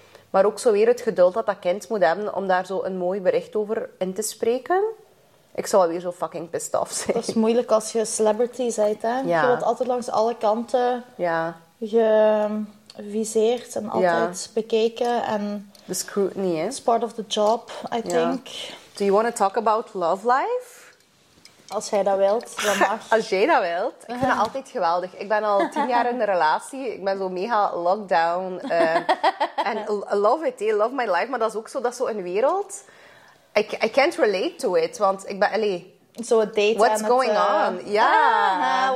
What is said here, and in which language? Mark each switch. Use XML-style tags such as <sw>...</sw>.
<nl>Maar ook zo weer het geduld dat kind moet hebben om daar zo een mooi bericht over in te spreken. Ik zou alweer zo fucking pissed off zijn. Dat is moeilijk als je celebrity bent, hè? Ja. Je wilt altijd langs alle kanten. Ja. Geviseerd en altijd bekeken. En</nl> <en>the scrutiny, hè? It's part of the job, I think. Do you want to talk about love life?</en> <nl>Als jij dat wilt, dan mag. Als jij dat wilt? Ik vind dat altijd geweldig. Ik ben al 10 jaar in een relatie. Ik ben zo mega lockdown. En</nl> <en>love it, love my life.</en> <nl>Maar dat is ook zo, dat is zo een wereld.</nl> <en>I can't relate to it,</en> <nl>want ik ben...</nl> <en>Allee,</en> <nl>zo het daten.</nl> <en>What's going on? Ja.</en>